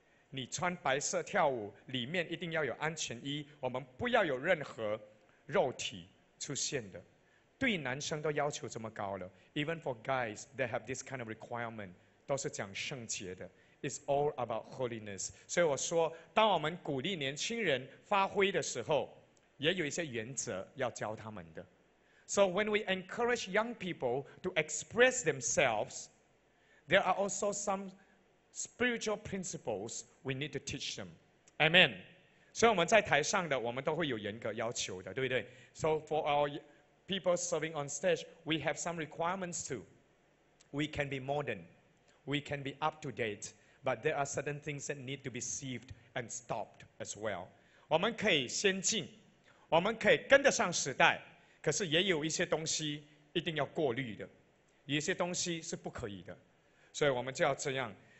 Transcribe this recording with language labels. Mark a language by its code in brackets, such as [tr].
[zh] 你穿白色跳舞，里面一定要有安全衣，我们不要有任何肉体出现的。对男生都要求这么高了。 [en] Even for guys, they have this kind of requirement. [zh] 都是讲圣洁的。 [en] It's all about holiness. [zh] 所以我说，当我们鼓励年轻人发挥的时候，也有一些原则要教他们的。 [en] So when we encourage young people to express themselves, there are also some spiritual principles we need to teach them. Amen. [zh] So 我们在台上的，我们都会有严格要求的，对不对？ [en] So for our people serving on stage, we have some requirements too. We can be modern, we can be up to date, but there are certain things that need to be sieved and stopped as well. [zh] 我们可以先进，我们可以跟得上时代。可是也有一些东西一定要过滤的，有一些东西是不可以的，所以我们就要这样。